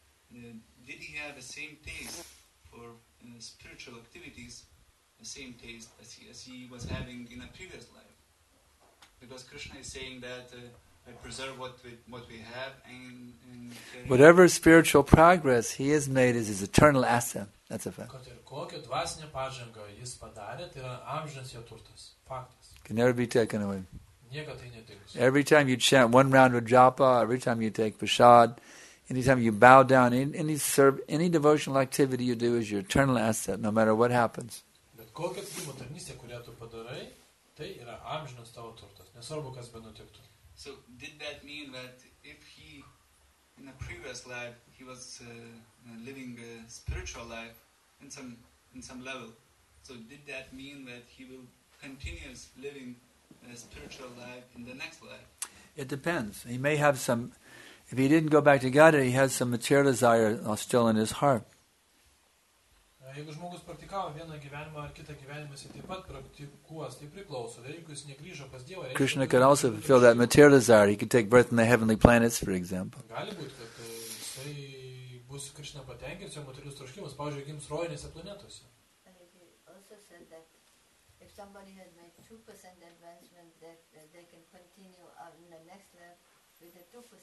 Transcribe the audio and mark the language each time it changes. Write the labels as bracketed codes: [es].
[en] Did he have the same taste for spiritual activities, the same taste as he was having in a previous life? Because Krishna is saying that I preserve what we have and whatever spiritual progress he has made is his eternal asset. That's a fact. [lt] Kokia dvasinė pažanga jis padarė, tai yra amžinas jo turtas. Faktas. [en] Can never be taken away. [lt] Nieko tai netiks. [en] Every time you chant one round of japa, every time you take prasad, any time you bow down, any devotional activity you do is your eternal asset, no matter what happens. [lt] Bet kokia tikėjimo tarnystė, kurią tu padarai, tai yra amžinas tavo turtas, nesvarbu, kas benutiktų. [en] So, did that mean that if he, in a previous life, he was living a spiritual life in some level, so did that mean that he will continue living a spiritual life in the next life? It depends. He may have some, if he didn't go back to God, he has some material desire still in his heart. [lt] Jeigu žmogus praktikavo vieną gyvenimą ar kitą gyvenimą, jis taip pat praktikuos, tai priklauso. Jeigu jis negrįžo pas Dievą, [en] Krishna could also fulfill that material desire. He could take birth in the heavenly planets, for example. [lt] Gali būti, kad jisai bus Krishna patenkins jo materialius troškimus, pavyzdžiui, gims rojinėse planetose. [en] And he also said that if somebody has made 2% advancement, that they can continue in the next level with the 2%.